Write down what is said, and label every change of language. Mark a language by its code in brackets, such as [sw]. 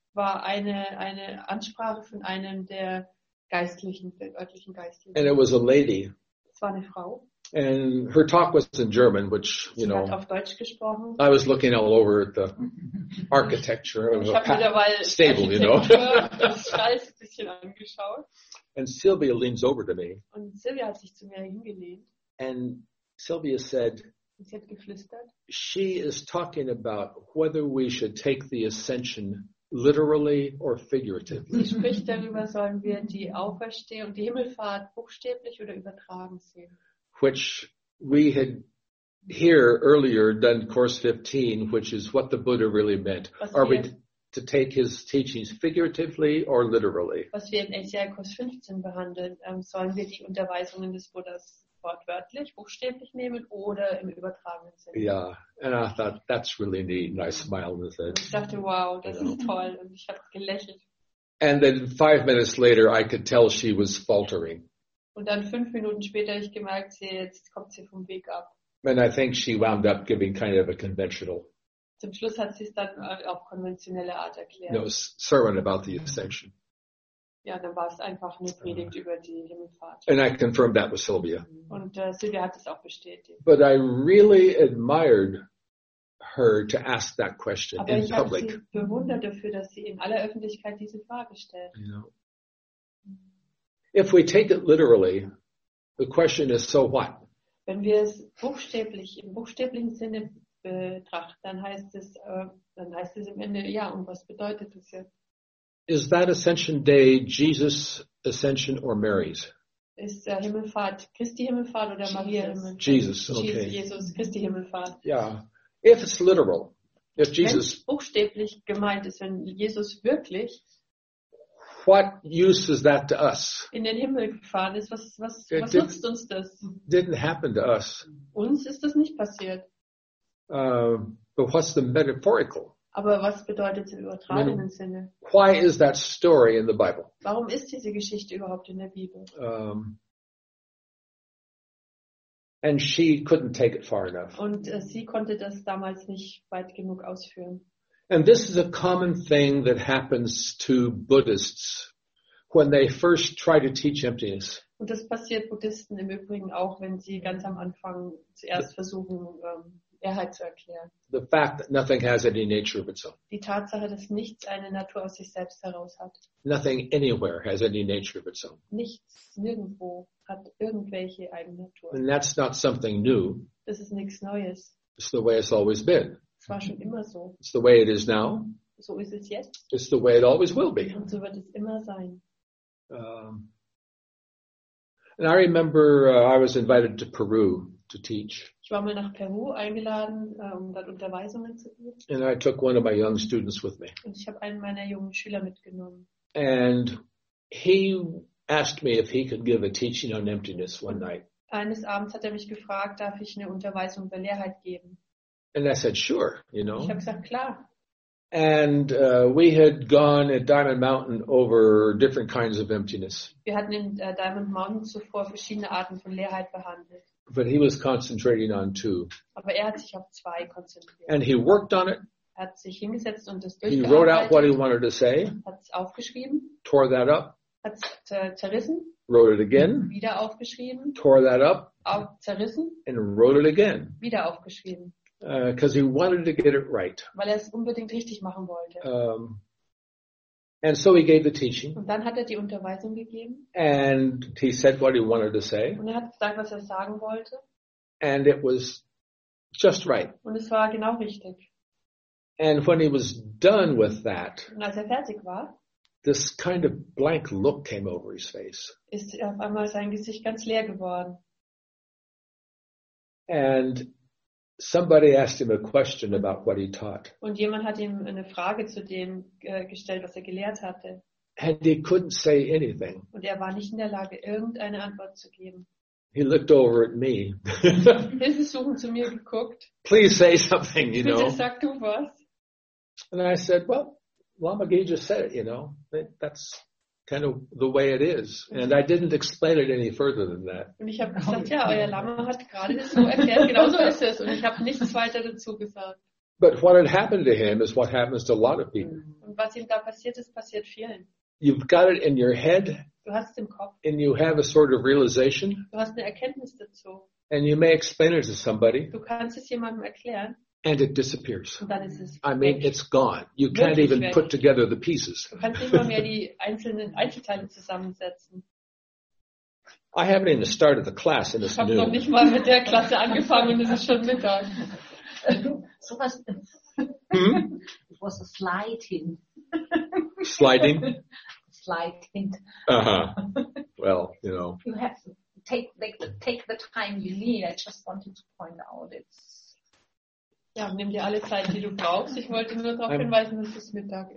[de] War eine Ansprache von einem der geistlichen, örtlichen Geistlichen. [en] And it was a lady. [de] Es war eine Frau. [en] And her talk was in German, which, you know, [de] auf Deutsch gesprochen. [en] I was looking all over at the architecture of a stable, you know. [de] Das ein bisschen angeschaut. [en] And Sylvia leans over to me. [de] Und Sylvia hat sich zu mir hingelehnt. [en] And Sylvia said, [de] und sie hat geflüstert, [en] she is talking about whether we should take the ascension literally or figuratively. [de] Sie spricht darüber, sollen wir die Auferstehung und die Himmelfahrt buchstäblich oder übertragen sehen. [en] Which we had here earlier done course 15, which is what the Buddha really meant. [de] Was [en] are we to take his teachings figuratively or literally? [de] Was wir in ECI Kurs 15 behandeln, sollen wir die Unterweisungen des Buddhas wortwörtlich, buchstäblich nehmen oder im übertragenen Sinne? [en] Yeah, and I thought, that's really neat, and I smiled and said, [de] ich dachte, wow, das ist toll, und ich habe gelächelt. [en] And then 5 minutes later, I could tell she was faltering. [de] Und dann 5 Minuten später ich gemerkt, sie, jetzt kommt sie vom Weg ab. [en] And I think she wound up giving kind of a conventional. [de] Zum Schluss hat sie es dann auf konventionelle Art erklärt. [en] No sermon about the ascension. [de] Ja, dann war es einfach eine Predigt über die Himmelfahrt. [en] And I confirmed that with Sylvia. [de] Und Sylvia hat es auch bestätigt. [en] But I really admired her to ask that question [de] aber [en] in public. [de] Aber ich habe sie bewundert dafür, dass sie in aller Öffentlichkeit diese Frage stellt. [en] You know. If we take it literally, the question is, so what? [de] Wenn wir es buchstäblich, im buchstäblichen Sinne betrachten, dann heißt es im Ende, ja, und was bedeutet es jetzt? [en] Is that Ascension Day Jesus' Ascension or Mary's? [de] Ist der Himmelfahrt Christi Himmelfahrt oder Maria Himmelfahrt? [en] Jesus, okay. [de] Jesus Christi Himmelfahrt. [en] Yeah. If it's literal, if Jesus... [de] Wenn es buchstäblich gemeint ist, wenn Jesus wirklich... [en] What use is that to us? [de] In den Himmel gefahren ist, was nutzt uns das? [en] Didn't happen to us. [de] Uns ist das nicht passiert. [en] But what's the metaphorical? [de] Aber was bedeutet es im übertragenen Sinne? [en] Why is that story in the Bible? [de] Warum ist diese Geschichte überhaupt in der Bibel? [en] And she couldn't take it far enough. [de] Und sie konnte das damals nicht weit genug ausführen. [en] And this is a common thing that happens to Buddhists when they first try to teach emptiness. [de] Und das passiert Buddhisten im Übrigen auch, wenn sie ganz am Anfang zuerst versuchen, Leerheit zu erklären. [en] The fact that nothing has any nature of itself. [de] Die Tatsache, dass nichts eine Natur aus sich selbst heraus hat. [en] Nothing anywhere has any nature of itself. [de] Nichts nirgendwo hat irgendwelche eigene Natur. [en] And that's not something new. [de] Das ist nichts Neues. [en] It's the way it's always been. [de] Es war schon immer so. [en] It's the way it is now. [de] So ist es jetzt. [en] It's the way it always will be. [de] Und so wird es immer sein. [en] And I remember I was invited to Peru to teach. [de] Ich war mal nach Peru eingeladen, um dort Unterweisungen zu geben. [en] And I took one of my young students with me. [de] Und ich habe einen meiner jungen Schüler mitgenommen. [en] And he asked me if he could give a teaching on emptiness one night. [de] Eines Abends hat mich gefragt, darf ich eine Unterweisung über Leerheit geben? [en] And I said, sure, you know. [de] Ich habe gesagt, klar. [en] And we had gone at Diamond Mountain over different kinds of emptiness. [de] Wir hatten in Diamond Mountain zuvor verschiedene Arten von Leerheit behandelt. [en] But he was concentrating on two. [de] Aber er hat sich auf zwei konzentriert. [en] And he worked on it. [de] Er hat sich hingesetzt und das durchgearbeitet. [en] He wrote out what he wanted to say. [de] Hat es aufgeschrieben. [en] Tore that up. [de] Hat es zerrissen. [en] Wrote it again. [de] Wieder aufgeschrieben. [en] Tore that up. [de] Auch zerrissen. [en] And wrote it again. [de] Wieder aufgeschrieben. [en] Because he wanted to get it right. [de] Weil er es unbedingt richtig machen wollte. [en] And so he gave the teaching. [de] Und dann hat er die Unterweisung gegeben. [en] And he said what he wanted to say. [de] Und er hat gesagt, was er sagen wollte. [en] And it was just right. [de] Und es war genau richtig. [en] And when he was done with that. [de] Und als er fertig war. [en] This kind of blank look came over his face. [de] Ist auf einmal sein Gesicht ganz leer geworden. [en] And somebody asked him a question about what he taught. [de] Und jemand hat ihm eine Frage zu dem gestellt, was er gelehrt hatte. [en] And he couldn't say anything. [de] Und er war nicht in der Lage, irgendeine Antwort zu geben. [en] He looked over at me. [de] Er ist suchend zu mir geguckt. [en] Please say something, you know. [de] Bitte sag du was. [en] And I said, well, Lamagi just said it, you know. That's kind of the way it is. And I didn't explain it any further than that. [de] Und ich habe gesagt, ja, euer Lama hat gerade das so erklärt, genau so ist es. Und ich habe nichts weiter dazu gesagt. [en] But what had happened to him is what happens to a lot of people. [de] Und was ihm da passiert ist, passiert vielen. [en] You've got it in your head. [de] Du hast es im Kopf. [en] And you have a sort of realization. [de] Du hast eine Erkenntnis dazu. [en] And you may explain it to somebody. [de] Du kannst es jemandem erklären. [en] And it disappears. [de] Und dann ist es [en] I mean, [de] weg. [en] It's gone. You [de] wirklich [en] can't even [de] weg. [en] Put together the pieces. [de] Du kannst nicht mal mehr die einzelnen Einzelteile zusammensetzen. [en] I haven't even started the class and it's noon. [de] Ich habe noch nicht mal mit der Klasse angefangen und es ist schon Mittag. [en] So was. It was a slight hint. Sliding? Slight hint. Uh-huh. Well, you know. You have to take the time you need. I just wanted to point out it's. [de] Ja, nimm dir alle Zeit, die du brauchst. Ich wollte nur darauf hinweisen, dass es Mittag ist.